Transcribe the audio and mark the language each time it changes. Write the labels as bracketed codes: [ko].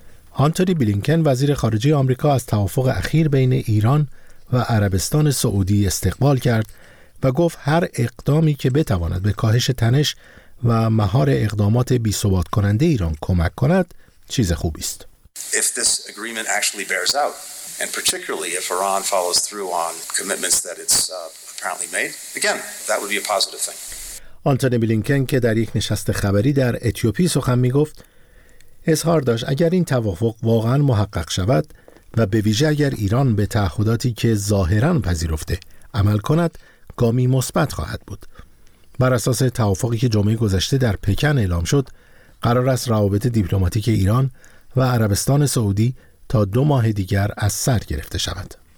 [fa] آنتونی بلینکن وزیر خارجه آمریکا از توافق اخیر بین ایران و عربستان سعودی استقبال کرد و گفت هر اقدامی که بتواند به کاهش تنش و مهار اقدامات بی‌ثبات کننده ایران کمک کند چیز خوبی است. [en] If this agreement actually bears out and particularly if Iran follows through on commitments that it's apparently made again, that would be a positive thing. [fa] آنتونی بلینکن که در یک نشست خبری در اتیوپی سخن می‌گفت اظهار داشت اگر این توافق واقعا محقق شود و به ویژه اگر ایران به تعهداتی که ظاهراً پذیرفته عمل کند گامی مثبت خواهد بود. بر اساس توافقی که جمعه گذشته در پکن اعلام شد قرار است روابط دیپلماتیک ایران و عربستان سعودی تا 2 ماه دیگر از سر گرفته شود.